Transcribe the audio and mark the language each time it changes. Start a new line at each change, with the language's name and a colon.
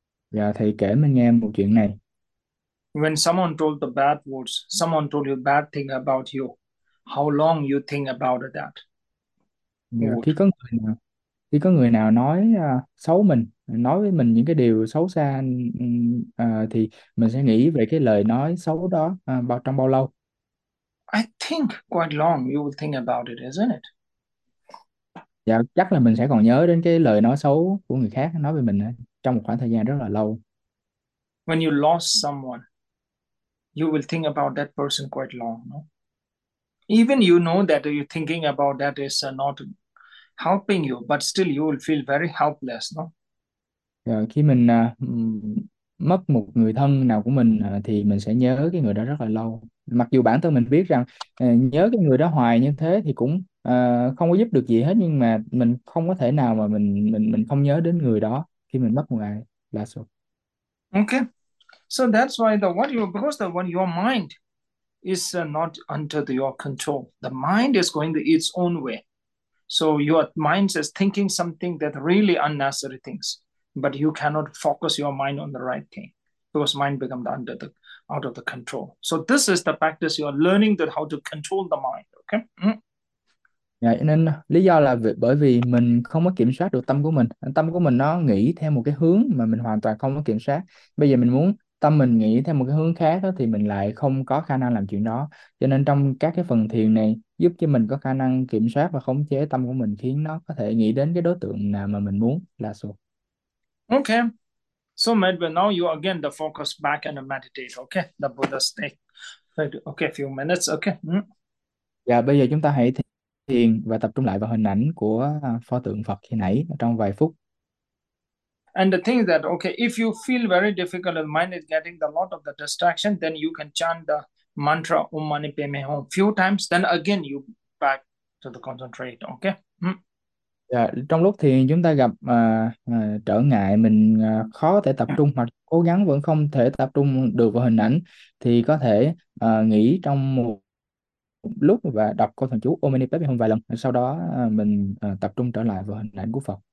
Vietnamese: Dạ, thầy kể mình nghe một chuyện này.
English: When someone told the bad words, someone told you bad thing about you, how long you think about that Dạ, word?
Vietnamese: khi có người nào nói xấu mình nói với mình những cái điều xấu xa thì mình sẽ nghĩ về cái lời nói xấu đó trong bao lâu?
English: I think quite long you will think about it, isn't it?
Vietnamese: Dạ, chắc là mình sẽ còn nhớ đến cái lời nói xấu của người khác nói về mình trong một khoảng thời gian rất là lâu.
English: When you lost someone, you will think about that person quite long, no? Even you know that you're thinking about that is not helping you, but still you will feel very helpless, no?
Vietnamese: Rồi khi mình mất một người thân nào của mình thì mình sẽ nhớ cái người đó rất là lâu. Mặc dù bản thân mình biết rằng nhớ cái người đó hoài như thế thì cũng không có giúp được gì hết, nhưng mà mình không có thể nào mà mình không nhớ đến người đó khi mình mất một ai. Là số.
English: Okay, so that's why the what you because the when your mind is not under your control, the mind is going to its own way. So your mind is thinking something that really unnecessary things, but you cannot focus your mind on the right thing because mind becomes under the out of the control. So this is the practice you are learning that how to control the mind. Okay.
Vietnamese: Dạ, nên lý do là bởi vì mình không có kiểm soát được tâm của mình. Tâm của mình nó nghĩ theo một cái hướng mà mình hoàn toàn không có kiểm soát. Bây giờ mình muốn tâm mình nghĩ theo một cái hướng khác đó, thì mình lại không có khả năng làm chuyện đó. Cho nên trong các cái phần thiền này giúp cho mình có khả năng kiểm soát và khống chế tâm của mình, khiến nó có thể nghĩ đến cái đối tượng nào mà mình muốn. Là số.
English: Okay, so maybe now you again the focus back and meditate. Okay, the Buddha state. Okay, few minutes. Okay.
Vietnamese: Dạ, bây giờ chúng ta hãy thiền và tập trung lại vào hình ảnh của pho tượng Phật khi nãy trong vài phút.
English: And the thing is that okay, if you feel very difficult and mind is getting a lot of the distraction, then you can chant the mantra Om Mani Padme Hum few times. Then again, you back to the concentrate. Okay.
Vietnamese: Dạ, trong lúc thiền chúng ta gặp trở ngại, mình khó có thể tập trung hoặc cố gắng vẫn không thể tập trung được vào hình ảnh, thì có thể nghỉ trong một lúc và đọc câu thần chú Om Mani Padme Hum vài lần, sau đó mình tập trung trở lại vào hình ảnh của Phật.